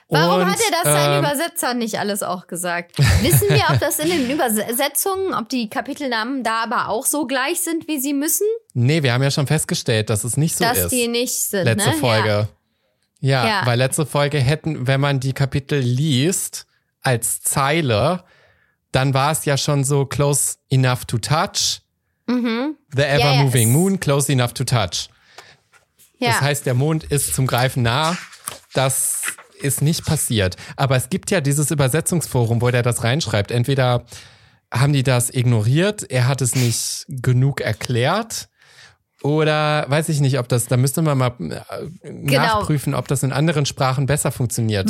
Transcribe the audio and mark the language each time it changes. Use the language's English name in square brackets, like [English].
[German] warum und, hat er das seinen Übersetzern nicht alles auch gesagt? Wissen wir, ob das in den Übersetzungen, ob die Kapitelnamen da aber auch so gleich sind, wie sie müssen? Nee, wir haben ja schon festgestellt, dass es nicht so dass ist. Dass die nicht sind, letzte ne? Folge. Ja, weil letzte Folge hätten, wenn man die Kapitel liest als Zeile, dann war es ja schon so [English] close enough to touch. [German] Mhm. [English] The ever moving moon, close enough to touch. [German] Ja. Das heißt, der Mond ist zum Greifen nah. Das ist nicht passiert. Aber es gibt ja dieses Übersetzungsforum, wo der das reinschreibt. Entweder haben die das ignoriert, er hat es nicht genug erklärt. Oder weiß ich nicht, ob das, da müsste man mal nachprüfen, ob das in anderen Sprachen besser funktioniert.